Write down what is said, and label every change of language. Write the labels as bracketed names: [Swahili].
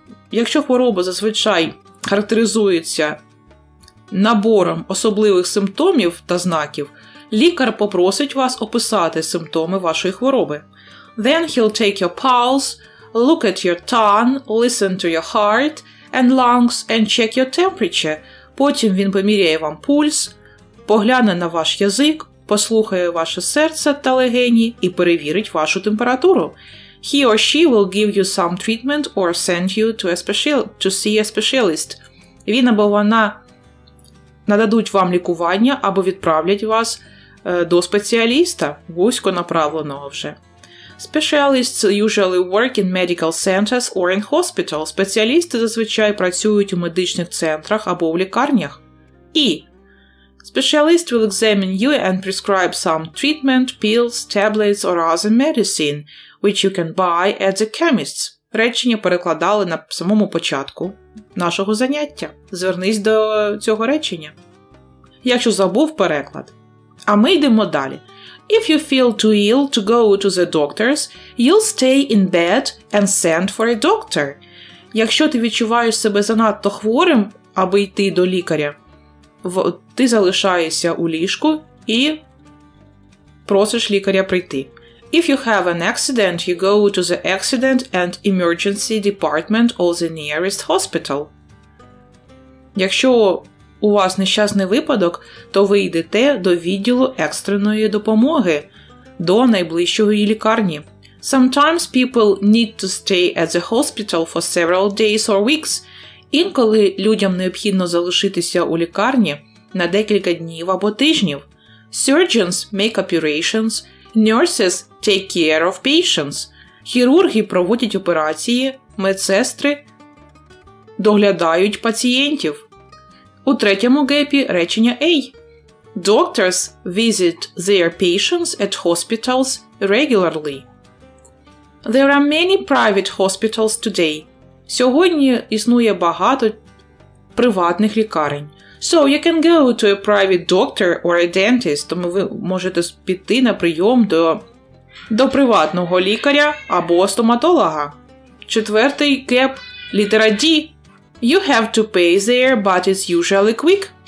[Ukrainian] Якщо хвороба зазвичай характеризується набором особливих симптомів та знаків, лікар попросить вас описати симптоми вашої хвороби. [English] Then he'll take your pulse, look at your tongue, listen to your heart and lungs and check your temperature. [Ukrainian] Потім він поміряє вам пульс, погляне на ваш язик, послухає ваше серце та легені і перевірить вашу температуру. [English] He or she will give you some treatment or send you to see a specialist. [Ukrainian] Він або вона нададуть вам лікування або відправлять вас до спеціаліста, вузько направленого вже. [English] Specialists usually work in medical centers or in hospitals. [Ukrainian] Спеціалісти зазвичай працюють у медичних центрах або в лікарнях. [English] І Specialist will examine you and prescribe some treatment, pills, tablets or other medicine, which you can buy at the chemist's. [Ukrainian] Речення перекладали на самому початку нашого заняття. Звернись до цього речення. Я ще забув переклад. А ми йдемо далі. [English] If you feel too ill to go to the doctors, you'll stay in bed and send for a doctor. [Ukrainian] Якщо ти відчуваєш себе занадто хворим, аби йти до лікаря, ти залишаєшся у ліжку і просиш лікаря прийти. [English] If you have an accident, you go to the accident and emergency department or the nearest hospital. [Ukrainian] Якщо у вас нещасний випадок, то ви йдете до відділу екстреної допомоги, до найближчої лікарні. [English] Sometimes people need to stay at the hospital for several days or weeks. [Ukrainian] Інколи людям необхідно залишитися у лікарні на декілька днів або тижнів. [English] Surgeons make operations, nurses take care of patients. [Ukrainian] Хірурги проводять операції, медсестри доглядають пацієнтів. У третьому гепі речення A. [English] Doctors visit their patients at hospitals regularly. There are many private hospitals today. [Ukrainian] Сьогодні існує багато приватних лікарень. [English] So you can go to a private doctor or a dentist. [Ukrainian] Тому ви можете піти на прийом до приватного лікаря або стоматолога. Четвертий геп, літера D. [English] You have to pay there, but it's usually quick.